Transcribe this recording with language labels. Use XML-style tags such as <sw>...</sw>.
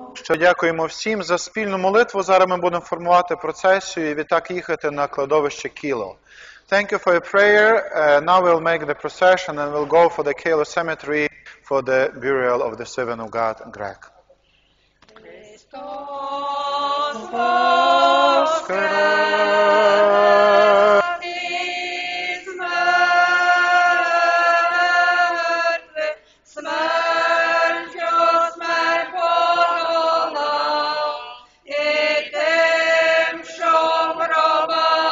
<uk>Дякуємо всім за спільну молитву. Зараз ми будемо формувати процесію і відтак їхати на кладовище Кіло.</uk> <en>Thank you for your prayer. Now we'll make the procession and we'll go for the Kilo Cemetery for the burial of the servant of God, Greg.</en> <uk>Христос воскрес із мертве, смертю смерть подолав, і тим, що гроба</uk>